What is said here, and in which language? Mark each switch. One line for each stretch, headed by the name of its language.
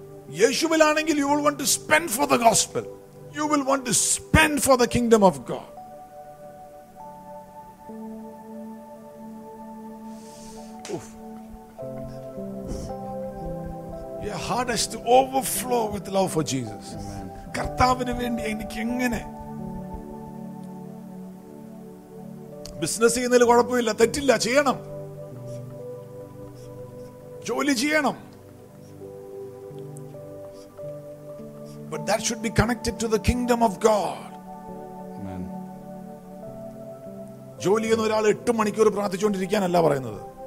Malayalam: Yeshuvil anengil
English: you will want to spend for the gospel. You will want to spend for the kingdom of God. Oof. Your heart has to overflow with love for Jesus.
Malayalam: Kartavinu vendi enikku engane business ചെയ്യുന്നതിൽ കുഴപ്പമില്ല, തെറ്റില്ല, ചെയ്യണം, ജോലി ചെയ്യണം.
English: But that should be connected to the kingdom of God. Amen.
Malayalam: ജോലി എന്ന് ഒരാൾ 8 മണിക്കൂർ പ്രാർത്ഥിച്ചുകൊണ്ടിരിക്കാനല്ല പറയുന്നത്.